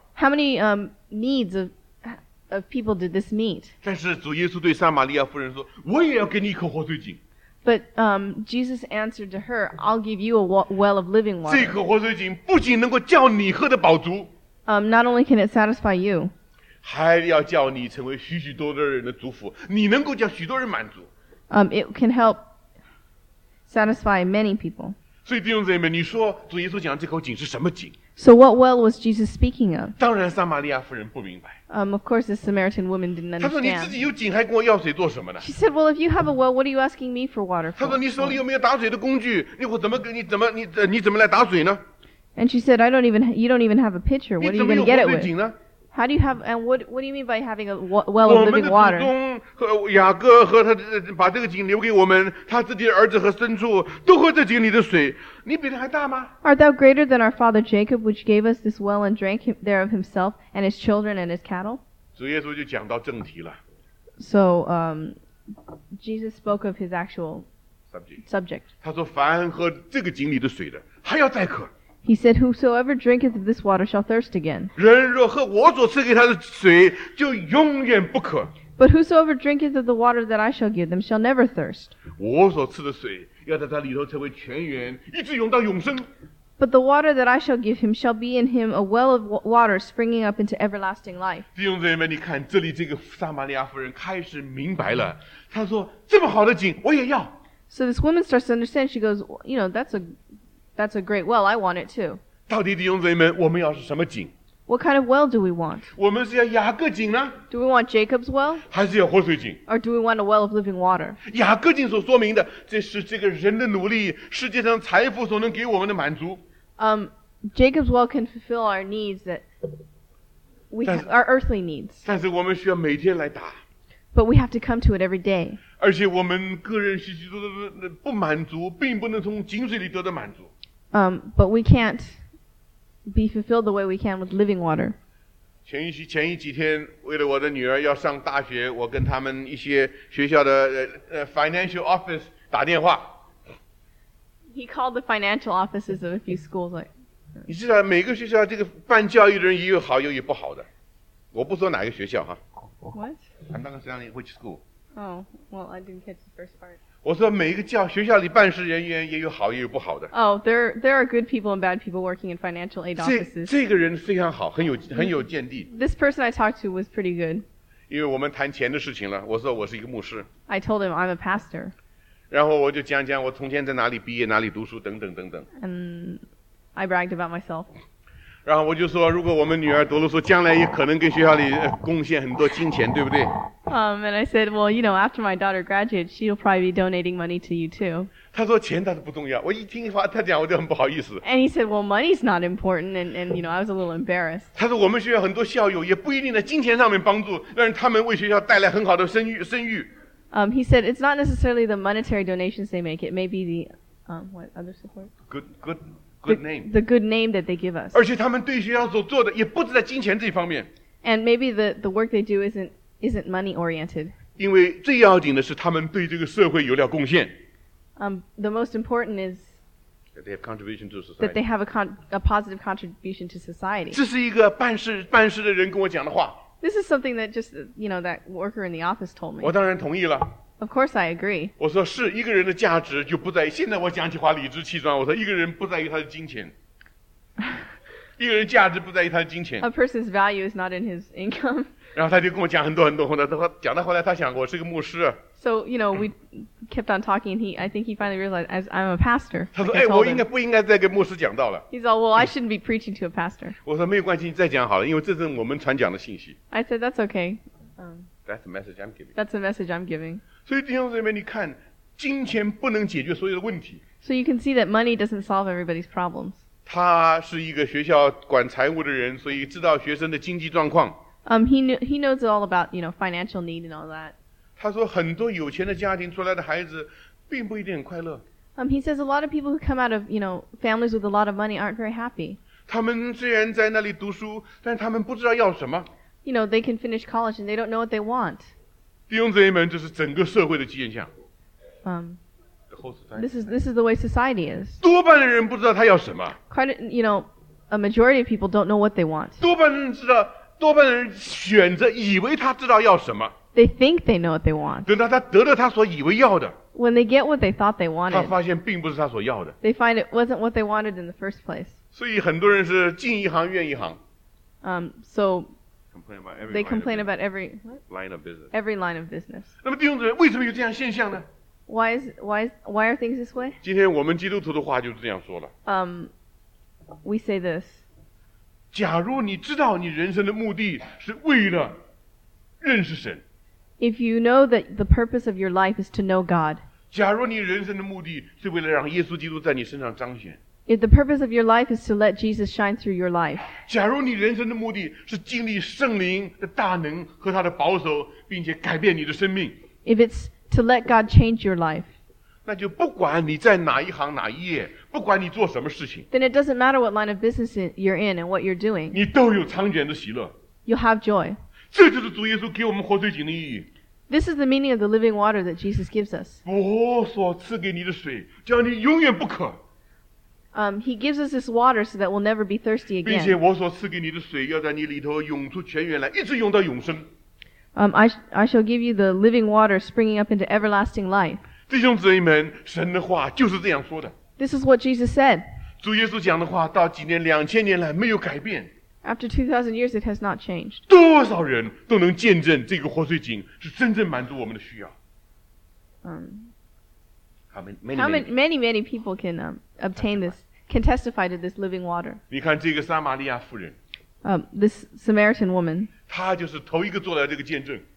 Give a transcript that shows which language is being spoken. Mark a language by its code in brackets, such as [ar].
[en] How many needs of people did this meet? [zh] 但是主耶稣对撒玛利亚妇人说，我也要给你一口活水井。 [en] But Jesus answered to her, I'll give you a well of living water. [zh] 这口活水井不仅能够叫你喝得饱足。 [en] Not only can it satisfy you. [zh] 还要叫你成为许许多多人的祝福，你能够叫许多人满足。 [en] It can help satisfy many people. [zh] 所以弟兄姊妹们，你说主耶稣讲这口井是什么井？ [en] So what well was Jesus speaking of? [zh] 当然撒玛利亚妇人不明白。 [en] Of course the Samaritan woman didn't understand. [zh] 她说你自己有井还跟我要水做什么呢？ [en] She said, well, if you have a well, what are you asking me for water for? [zh] 她说你手里有没有打水的工具？你怎么来打水呢？ [en] And she said, you don't even have a pitcher. What are you going to get it with? [zh] 你怎么有活水井呢？ [en] How do you have, and what do you mean by having a well of living water? [zh] 我们的祖宗雅各和他把这个井留给我们，他自己的儿子和牲畜都喝这井里的水。你比他还大吗？ [en] Art thou greater than our father Jacob, which gave us this well and drank thereof himself and his children and his cattle? [zh] 主耶稣就讲到正题了。 [en] So Jesus spoke of his actual subject. [zh] 他说凡喝这个井里的水的还要再渴。 [en] He said, whosoever drinketh of this water shall thirst again. [zh] 人若喝我所赐给他的水就永远不渴。 [en] But whosoever drinketh of the water that I shall give them shall never thirst. [zh] 我所赐的水要在他里头成为泉源一直涌到永生。 [en] But the water that I shall give him shall be in him a well of water springing up into everlasting life. [zh] 弟兄姊妹，你看这里这个撒玛利亚妇人开始明白了。她说这么好的井我也要。 [en] So this woman starts to understand. She goes, you know, that's a great well. I want it too. [zh] 到底弟兄姊妹，我们要是什么井？ [en] What kind of well do we want? [zh] 我们是要雅各井呢？ [en] Do we want Jacob's well? [zh] 还是要活水井？ [en] Or do we want a well of living water? [zh] 雅各井所说明的，这是这个人的努力，世界上财富所能给我们的满足。 [en] Jacob's well can fulfill our needs that we have, our earthly needs. [zh] 但是我们需要每天来打。 [en] But we have to come to it every day. [zh] 而且我们个人需求的不满足，并不能从井水里得到满足。 [en] But we can't be fulfilled the way we can with living water. [zh] 前一几天，为了我的女儿要上大学，我跟他们一些学校的 [en] financial office [zh] 打电话。 [en] He called the financial offices of a few schools. Like, [zh] 你知道每个学校这个办教育的人也有好，也有不好的。我不说哪个学校哈。 [en] What? I'm not saying which school. Oh, well, I didn't catch the first part. [zh] 我说每一个教学校里办事人员也有好，也有不好的。 [en] Oh, there are good people and bad people working in financial aid offices. [zh] 这个人非常好，很有见地。 [en] This person I talked to was pretty good. [zh] 因为我们谈钱的事情了，我说我是一个牧师。 [en] I told him I'm a pastor. [zh] 然后我就讲我从前在哪里毕业，哪里读书，等等等等。 [en] And I bragged about myself. [zh] 然后我就说，如果我们女儿读了书，将来也可能跟学校里贡献很多金钱，对不对？ [en] And I said, well, you know, after my daughter graduates, she'll probably be donating money to you too. [zh] 他说钱倒是不重要。我一听话，他讲我就很不好意思。 [en] And he said, well, money's not important, and you know, I was a little embarrassed. [zh] 他说我们学校很多校友也不一定在金钱上面帮助，让他们为学校带来很好的声誉。 [en] He said it's not necessarily the monetary donations they make; it may be the what other support? Good. Good name. The good name that they give us. [zh] 而且他们对学校所做的也不止在金钱这方面。 [en] And maybe the work they do isn't money oriented. [zh] 因为最要紧的是他们对这个社会有了贡献。 [en] The most important is that they have contribution to society. That they have a positive contribution to society. [zh] 这是一个办事的人跟我讲的话。 [en] This is something that just, you know, that worker in the office told me. [zh] 我当然同意了。 [en] Of course, I agree. [zh] 我说是一个人的价值就不在于现在我讲起话理直气壮。我说一个人不在于他的金钱，一个人价值不在于他的金钱。 [en] A person's value is not in his income. [zh] 然后他就跟我讲很多很多话。讲到后来，他想我是个牧师。 [en] So you know, we kept on talking. And I think he finally realized as I'm a pastor. [zh] 他说：“哎，我不应该再给牧师讲道了。 [en] ”He's all, well, I shouldn't be preaching to a pastor. [zh] 我说没有关系，你再讲好了，因为这是我们传讲的信息。 [en] I said that's okay. That's the message I'm giving. That's the message I'm giving. [zh] 所以弟兄姊妹，你看，金钱不能解决所有的问题。 [en] So you can see that money doesn't solve everybody's problems. [zh] 他是一个学校管财务的人，所以知道学生的经济状况。 [en] He knows all about, you know, financial need and all that. [zh] 他说很多有钱的家庭出来的孩子并不一定很快乐。 [en] He says a lot of people who come out of, you know, families with a lot of money aren't very happy. [zh] 他们虽然在那里读书，但他们不知道要什么。 [en] You know, they can finish college and they don't know what they want. [zh] 弟兄姊妹们，这是整个社会的现象。 [en] This is the way society is. [zh] 多半的人不知道他要什么。 [en] Quite, you know, a majority of people don't know what they want. [zh] 多半的人选择以为他知道要什么。 [en] They think they know what they want. [zh] 等到他得了他所以为要的。 [en] When they get what they thought they wanted. [zh] 他发现并不是他所要的。 [en] They find it wasn't what they wanted in the first place. [zh] 所以很多人是进一行怨一行。 [en] They complain about every line of business. Every line of business. [zh] 那么弟兄姊妹，为什么有这样现象呢？ [en] Why are things this way? [zh] 今天我们基督徒的话就这样说了。 [en] We say this. [zh] 假如你知道你人生的目的是为了认识神。 [en] If you know that the purpose of your life is to know God. [zh] 假如你人生的目的是为了让耶稣基督在你身上彰显。 [en] If the purpose of your life is to let Jesus shine through your life, [zh] 假如你人生的目的是经历圣灵的大能和他的保守，并且改变你的生命， [en] if it's to let God change your life, [zh] 那就不管你在哪一行哪一业，不管你做什么事情， [en] then it doesn't matter what line of business you're in and what you're doing, [zh] 你都有长卷的喜乐， [en] you'll have joy. [zh] 这就是主耶稣给我们活水井的意义。 [en] This is the meaning of the living water that Jesus gives us. [zh] 我所赐给你的水, [en] He gives us this water so that we'll never be thirsty again. [zh] 并且我所赐给你的水要在你里头涌出泉源来，一直涌到永生。 [en] I shall give you the living water springing up into everlasting life. [zh] 弟兄姊妹们，神的话就是这样说的。 [en] This is what Jesus said. [zh] 主耶稣讲的话到今年2000年来没有改变。 [en] After 2,000 years, it has not changed. [zh] 多少人都能见证这个活水井是真正满足我们的需要。 [en] How many people can obtain this, can testify to this living water? [zh] 你看这个撒玛利亚妇人。 [en] This Samaritan woman. [zh] 她就是头一个做了这个见证。